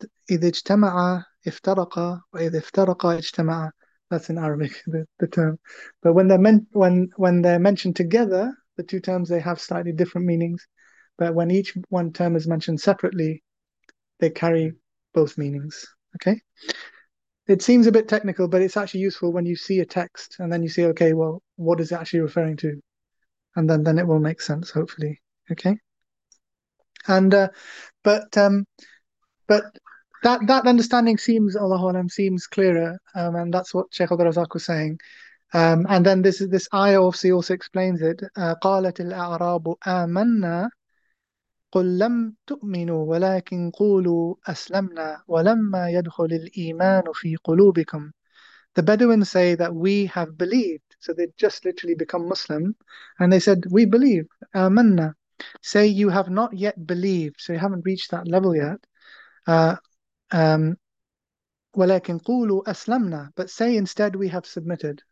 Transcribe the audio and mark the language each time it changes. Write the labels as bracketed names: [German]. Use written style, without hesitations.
[Arabic] إذ اجتمع افترقا وإذ افترقا اجتمع. [English] That's in Arabic, the term. But when they're mentioned together, the two terms, they have slightly different meanings. But when each one term is mentioned separately, they carry both meanings. Okay. It seems a bit technical, but it's actually useful when you see a text and then you see, okay, well, what is it actually referring to? And then it will make sense, hopefully. Okay. And but that understanding seems, Allahu Alam, seems clearer. And that's what Sheikh Abdul Razak was saying. And then this ayah obviously also explains it. [Arabic] قالت الأعراب آمنا قل لم تؤمنوا ولكن قولوا أسلمنا ولما يدخل الإيمان في قلوبكم. [English] The Bedouins say that we have believed. So they just literally become Muslim. And they said, we believe. [Arabic] آمنا. [English] Say you have not yet believed. So you haven't reached that level yet. [Arabic] ولكن قولوا أسلمنا. [English] But say instead we have submitted.